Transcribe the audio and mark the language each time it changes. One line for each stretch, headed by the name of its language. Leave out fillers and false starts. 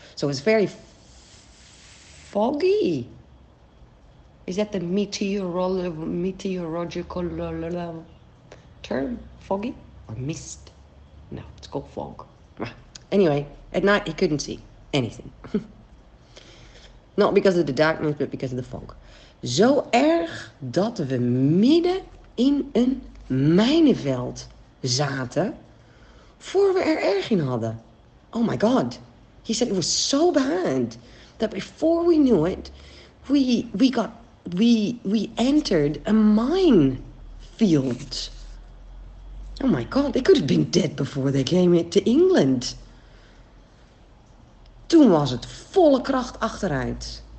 English: So it's very foggy. Is that the meteorological term? Foggy or mist? No, it's called fog. Anyway, at night he couldn't see anything. Not because of the darkness, but because of the fog.
Dutch: Zo erg dat we midden in een mijnenveld zaten voor we er erg in hadden.
English: Oh my God. He said it was so bad that before we knew it, we entered a mine field. Oh my God, they could have been dead before they came into England.
Dutch: Toen was het volle kracht achteruit.